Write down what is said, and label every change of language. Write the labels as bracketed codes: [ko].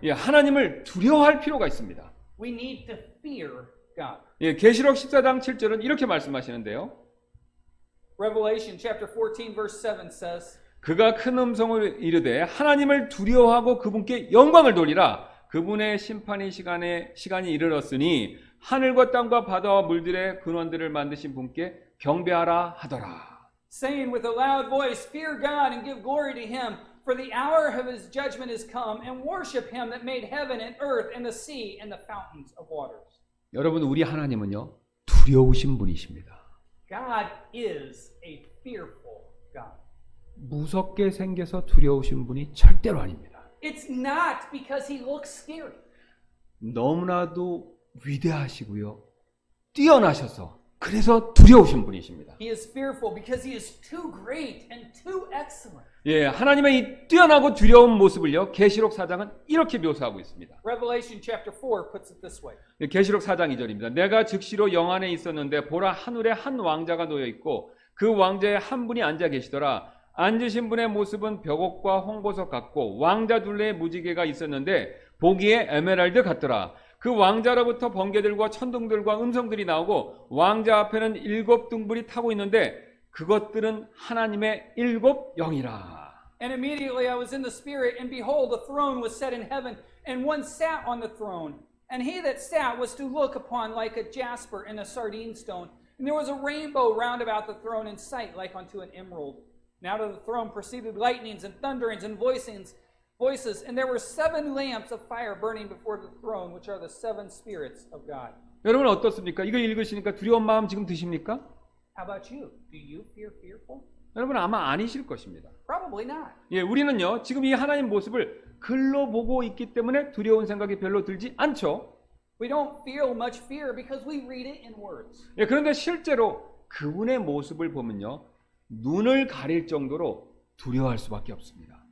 [ko] 예, 하나님을 두려워할 필요가 있습니다. [en] We need to fear God. [ko] 예, 계시록 14장 7절은 이렇게 말씀하시는데요. [en] Revelation chapter 14, verse 7 says, [ko] 그가 큰 음성을 이르되 하나님을 두려워하고 그분께 영광을 돌리라. 그분의 심판의 시간이 이르렀으니 하늘과 땅과 바다와 물들의 근원들을 만드신 분께 경배하라 하더라. [en] Saying with a loud voice, fear God and give glory to him, for the hour of his judgment is come, and worship him that made heaven and earth and the sea and the fountains of waters. [ko] 여러분, 우리 하나님은요, 두려우신 분이십니다. [en] God is a fearful God. [ko] 무섭게 생겨서 두려우신 분이 절대로 아닙니다. [en] It's not because he looks scary. [ko] 너무나도 위대하시고요. 뛰어나셔서 그래서 두려우신 분이십니다. [en] He is fearful because he is too great and too excellent. [ko] 예, 하나님의 이 뛰어나고 두려운 모습을요. 계시록 4장은 이렇게 묘사하고 있습니다. [en] Revelation chapter 4 puts it this way. [ko] 예, 계시록 4장 2절입니다. 내가 즉시로 영 안에 있었는데 보라 하늘에 한 왕자가 놓여 있고 그 왕자에 한 분이 앉아 계시더라. 앉으신 분의 모습은 벽옥과 홍보석 같고 왕자 둘레에 무지개가 있었는데 보기에 에메랄드 같더라. 그 왕자로부터 번개들과 천둥들과 음성들이 나오고 왕자 앞에는 일곱 등불이 타고 있는데 그것들은 하나님의 일곱 영이라. [en] And immediately I was in the spirit, and behold, a throne was set in heaven, and one sat on the throne. And he that sat was to look upon like a jasper and a sardine stone. And there was a rainbow round about the throne in sight, like unto an emerald. And out of the throne proceeded lightnings and thunderings and voices. And there were seven lamps of fire burning before the throne, which are the seven spirits of God. [ko] 여러분 어떻습니까? 이거 읽으시니까 두려운 마음 지금 드십니까? [en] How about you? Do you feel fearful? [ko] 여러분 아마 아니실 것입니다. [en] Probably not. [ko] 예, 우리는요 지금 이 하나님 모습을 글로 보고 있기 때문에 두려운 생각이 별로 들지 않죠. [en] We don't feel much fear because we read it in words. [ko] 예, 그런데 실제로 그분의 모습을 보면요 눈을 가릴 정도로 두려워할 수밖에 없습니다.